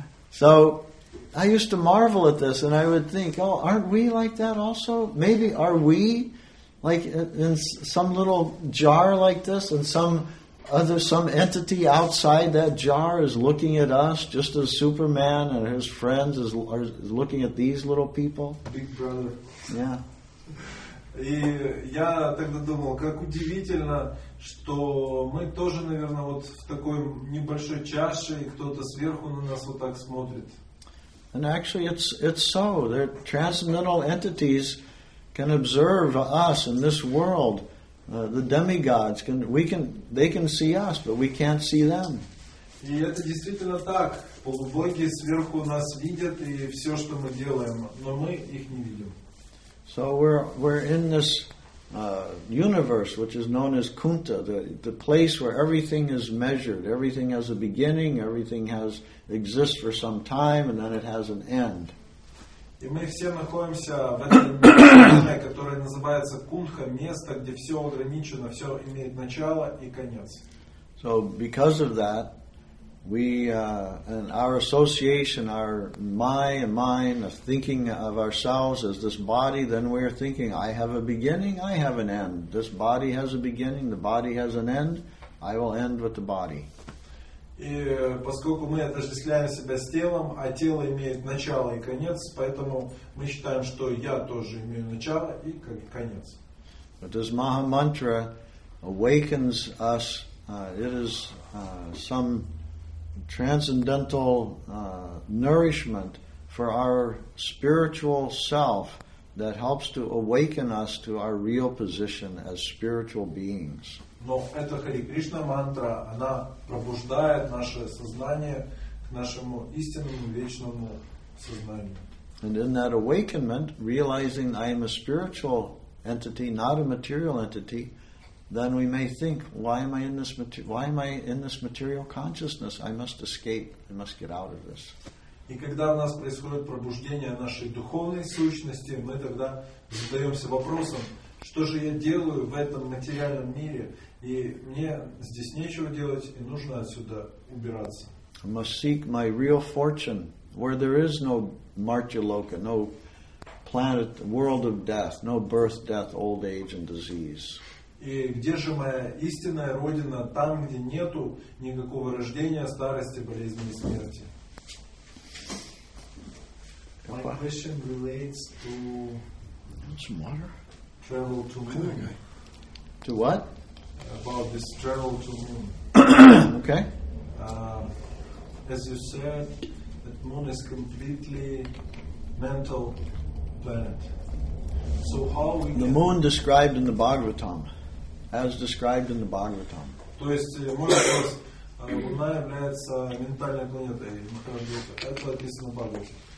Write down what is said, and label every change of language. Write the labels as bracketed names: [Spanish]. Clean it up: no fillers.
[English] So I used to marvel at this, and I would think, oh, aren't we like that also? Maybe are we like in some little jar like this, and some entity outside that jar is looking at us, just as Superman and his friends are looking at these little people. Big brother. Yeah. [Russian] И я тогда думал, как удивительно, что мы тоже, наверное, вот в такой небольшой чаше, и кто-то сверху на нас вот так смотрит. [English] And actually, it's so. They're transcendental entities. Can observe us in this world. The demigods can. They can see us, but we can't see them. [Russian] И это действительно так. Полубоги сверху нас видят и все, что мы делаем, но мы их не видим. [English] So we're in this universe, which is known as Kunta, the place where everything is measured. Everything has a beginning. Everything has exists for some time, and then it has an end. [Russian] И мы все находимся в этом месте, которое называется Кунха, место, где все ограничено, все имеет начало и конец. [English] So because of that, we and our association, our my and mine, of thinking of ourselves as this body, then we are thinking, I have a beginning, I have an end. This body has a beginning, the body has an end. I will end with the body. [Russian] И поскольку мы отождествляем себя с телом, а тело имеет начало и конец, поэтому мы считаем, что я тоже имею начало и конец. [English] But this Maha Mantra awakens us. It is some transcendental nourishment for our spiritual self that helps to awaken us to our real position as spiritual beings. [Russian] Но эта Хари Кришна мантра, она пробуждает наше сознание к нашему истинному вечному сознанию. [English] And in that awakenment, realizing I am a spiritual entity, not a material entity, then we may think, why am I in this material consciousness? I must escape. I must get out of this. [Russian] И когда у нас происходит пробуждение нашей духовной сущности, мы тогда задаемся вопросом, что же я делаю в этом материальном мире? И мне здесь нечего делать, и нужно отсюда убираться. [English] I must seek my real fortune, where there is no Martyaloka, no planet, world of death, no birth, death, old age and disease. [Russian] И где же моя истинная родина, там, где нету никакого рождения, старости, болезни и смерти? [English] My question relates to... Some water? Travel to moon. To what? About this travel to moon. Okay. As you said, that moon is completely mental planet. So how we the moon described in the Bhagavatam, as described in the Bhagavatam. [Russian] То есть луна является ментальной планетой. Это описано в Бхагавате.